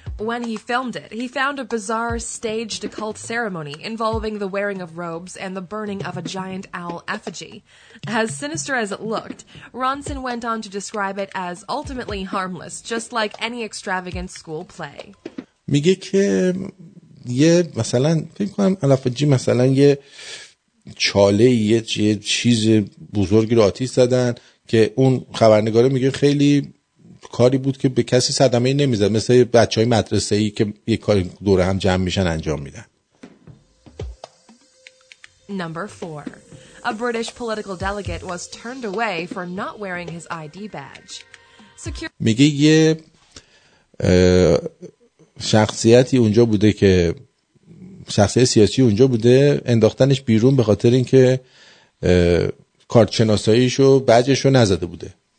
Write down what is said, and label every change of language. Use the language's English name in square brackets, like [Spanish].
[English] When he filmed it, he found a bizarre staged occult ceremony involving the wearing of robes and the burning of a giant owl effigy. As sinister as it looked, Ronson went on to describe it as ultimately harmless, just like any extravagant school play. [Persian] میگه که یه مثلا فکر کنم الافجی مثلا یه چاله یه چیز بزرگی رو آتیش زدن که اون خبرنگاره میگه خیلی کاری بود که به کسی صدمه‌ای نمیزد، مثل بچه های مدرسه‌ای که یک کاری دوره هم جمع میشن انجام میدن. [English] Number 4. A British political delegate was turned away for not wearing his ID badge. [Persian] میگه یه شخصیتی اونجا بوده که شخصیت سیاسی اونجا بوده، انداختنش بیرون به خاطر اینکه کارت شناساییشو بجشو نزده بوده.